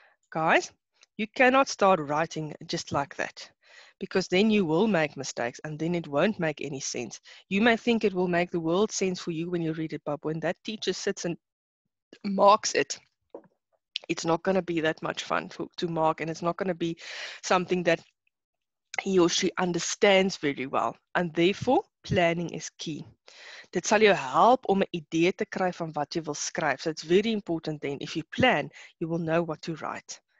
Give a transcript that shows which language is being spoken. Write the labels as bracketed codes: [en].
[en] Guys, you cannot start writing just like that, because then you will make mistakes and then it won't make any sense. You may think it will make the world sense for you when you read it, but when that teacher sits and marks it, it's not going to be that much fun to mark, and it's not going to be something that he or she understands very well. And therefore, planning is key. [af] Dit sal jou help om 'n idee te kry van wat jy wil skryf. [en] So it's very important then, if you plan, you will know what to write.